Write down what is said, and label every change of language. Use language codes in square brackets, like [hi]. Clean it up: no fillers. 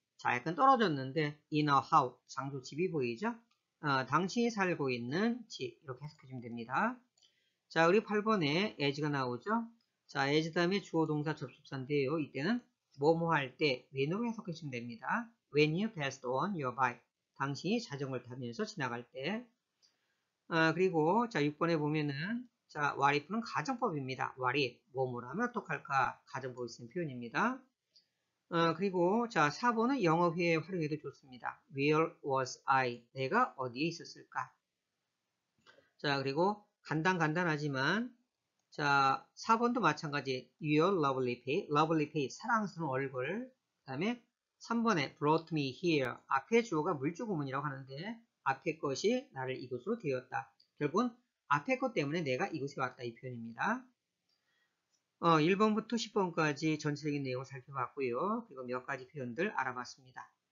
[ko] 자, 약간 떨어졌는데 in a house, 장소 집이 보이죠? 당신이 살고 있는 집 이렇게 해석해주면 됩니다. 자, 우리 8번에 as가 나오죠? 자, as 다음에 주어 동사 접속사인데요. 이때는 뭐뭐 할때 when으로 해석해주면 됩니다. [en] When you passed on your bike, [ko] 당신이 자전거를 타면서 지나갈 때. 그리고 자, 6번에 보면은 자, what if는 가정법입니다. what if 뭐뭐라면 어떡할까? 가정법이 쓰는 표현입니다. 그리고 자, 4번은 영어 회화에 활용해도 좋습니다. [en] Where was I? [ko] 내가 어디에 있었을까? 자, 그리고 간단하지만 자, 4번도 마찬가지. [en] Your lovely face, lovely face, [ko] 사랑스러운 얼굴. 그다음에 3번에 [en] brought me here. [ko] 앞에 주어가 물주구문이라고 하는데 앞에 것이 나를 이곳으로 데렸다. 결국은 앞에 것 때문에 내가 이곳에 왔다 이 표현입니다. 1번부터 10번까지 전체적인 내용을 살펴봤고요. 그리고 몇 가지 표현들 알아봤습니다.